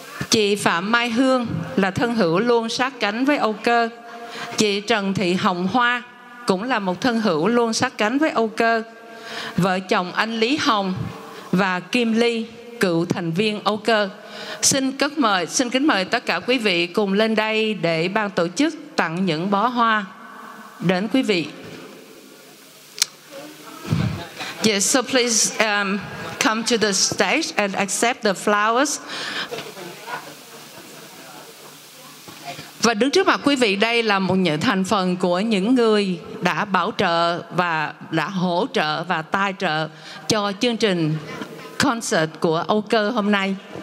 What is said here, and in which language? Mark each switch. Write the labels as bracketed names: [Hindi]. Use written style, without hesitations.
[Vietnamese] chị Phạm Mai Hương là thân hữu luôn sát cánh với Âu Cơ, chị Trần Thị Hồng Hoa cũng là một thân hữu luôn sát cánh với Âu Cơ, vợ chồng anh Lý Hồng và Kim Ly, cựu thành viên Âu Cơ. Xin kính mời tất cả quý vị cùng lên đây để ban tổ chức tặng những bó hoa đến quý vị. [English] Yes, so please come to the stage and accept the flowers. [Vietnamese] Và đứng trước mặt quý vị đây là một thành phần của những người đã bảo trợ và đã hỗ trợ và tài trợ cho chương trình concert của Âu Cơ hôm nay.